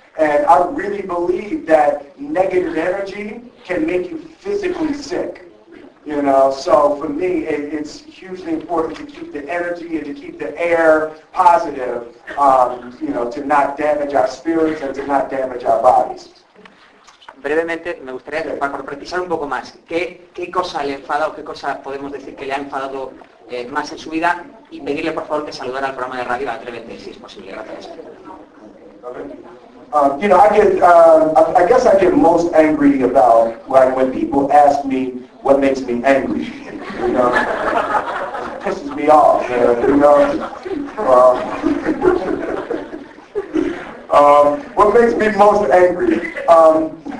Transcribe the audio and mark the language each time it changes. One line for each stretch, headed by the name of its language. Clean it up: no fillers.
English: And I really believe that negative energy can make you physically sick. You know, so for me, it's hugely important to keep the energy and to keep the air positive, you know, to not damage our spirits and to not damage our bodies.
Spanish: Brevemente, me gustaría, para concretizar un poco más, ¿qué cosa le enfada o qué cosa podemos decir que le ha enfadado más en su vida? Y pedirle, por favor, que saludara al programa de radio Atrévete, si es posible. Gracias.
English: You know, I guess I get most angry about, like, when people ask me what makes me angry, you know, it pisses me off, you know, what makes me most angry, you know,